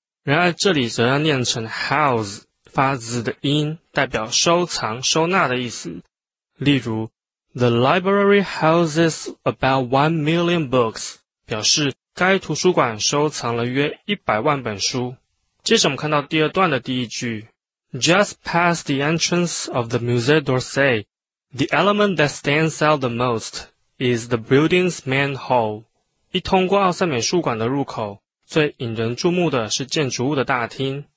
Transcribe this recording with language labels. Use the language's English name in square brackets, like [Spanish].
[Chinese] 然而这里则要念成 house。发字的音代表收藏收纳的意思。 [English] 例如 The library houses about 1 million books, [Chinese] 表示该图书馆收藏了约100万本书。接着我们看到第二段的第一句。 [English] Just past the entrance of the Musée d'Orsay, the element that stands out the most is the building's main hall. [Chinese] 一通过奥赛美术馆的入口，最引人注目的是建筑物的大厅。